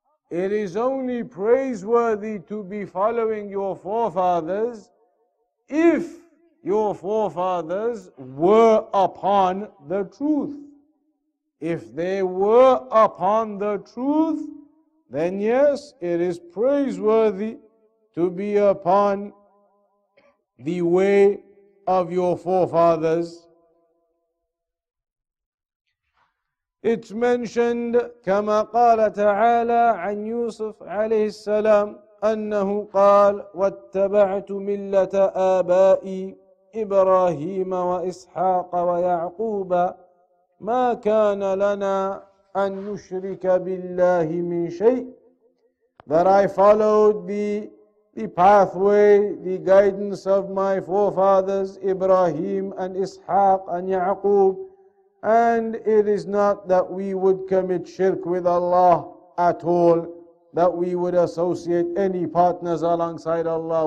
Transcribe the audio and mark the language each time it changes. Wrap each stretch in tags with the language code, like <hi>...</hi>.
<en>It is only praiseworthy to be following your forefathers if your forefathers were upon the truth. If they were upon the truth, then yes, it is praiseworthy to be upon the way of your forefathers. It's mentioned,</en> <ar>كما قال تعالى عن يوسف عليه السلام أنه قال واتبعت ملة آبائي إبراهيم وإسحاق ويعقوب ما كان لنا أن نشرك بالله من شيء.</ar> <en>That I followed the pathway, the guidance of my forefathers, Ibrahim and Ishaq and Ya'qub, and it is not that we would commit shirk with Allah at all, that we would associate any partners alongside Allah.</en>